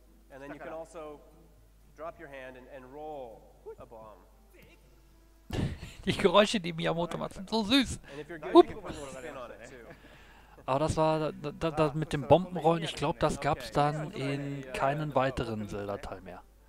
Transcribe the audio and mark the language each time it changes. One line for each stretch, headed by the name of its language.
English: And then you can also drop your hand and roll a bomb.
German: Die Geräusche, die Miyamoto macht, sind so süß.
English: And if you're good, you can put a spin on it too.
German: Aber das war das mit dem Bombenrollen, ich glaube, das gab es dann in keinen weiteren Zelda-Teil mehr.